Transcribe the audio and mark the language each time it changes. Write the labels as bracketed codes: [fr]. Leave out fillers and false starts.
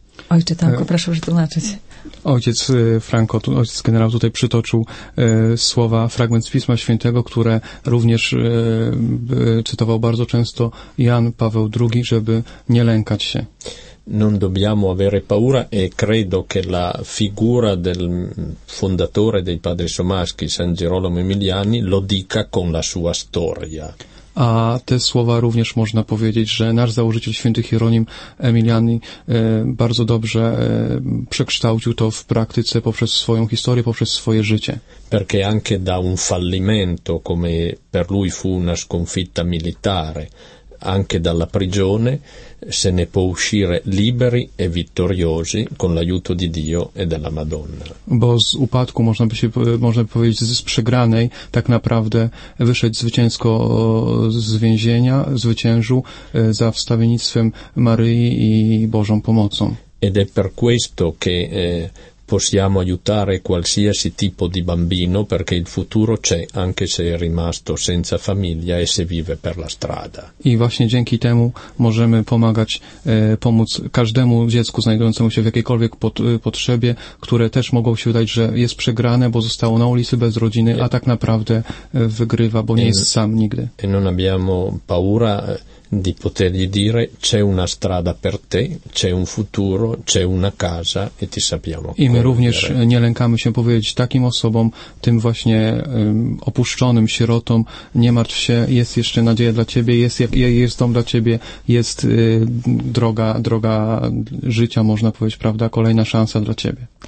[pl] Ojcze, tanko, proszę przetłumaczyć. Ojciec Franco, ojciec generał tutaj przytoczył słowa, fragment z Pisma Świętego, które również cytował bardzo często Jan Paweł II, żeby nie lękać się. [it] Non dobbiamo avere paura e credo che la figura del fondatore dei Padri Somaschi, San Gerolamo Emiliani, lo dica con la sua storia. [pl] A te słowa również można powiedzieć, że nasz założyciel święty Hieronim Emiliani bardzo dobrze przekształcił to w praktyce poprzez swoją historię, poprzez swoje życie. [it] Perché anche da un fallimento, come per lui fu una sconfitta militare, anche dalla prigione se ne può uscire liberi e vittoriosi con l'aiuto di Dio e della Madonna. [pl] Bo z upadku, można by powiedzieć, z przegranej, tak naprawdę wyszedł zwycięsko z więzienia, zwyciężył za wstawiennictwem Maryi i Bożą pomocą. [it] Ed è per questo che possiamo aiutare qualsiasi tipo di bambino, perché il futuro c'è, anche se è rimasto senza famiglia e se vive per la strada. [pl] I właśnie dzięki temu możemy pomóc każdemu dziecku znajdującemu się w jakiejkolwiek potrzebie, które też mogą się wydać, że jest przegrane, bo zostało na ulicy bez rodziny, a tak naprawdę wygrywa, bo nie jest sam nigdy. [it] E non abbiamo paura di potergli dire c'è una strada per te, c'è un futuro, c'è una casa e ti sappiamo. [pl] I my również nie lękamy się powiedzieć takim osobom, tym właśnie opuszczonym sierotom, nie martw się, jest jeszcze nadzieja dla ciebie, jest dom dla ciebie, jest droga życia, można powiedzieć, prawda, kolejna szansa dla ciebie.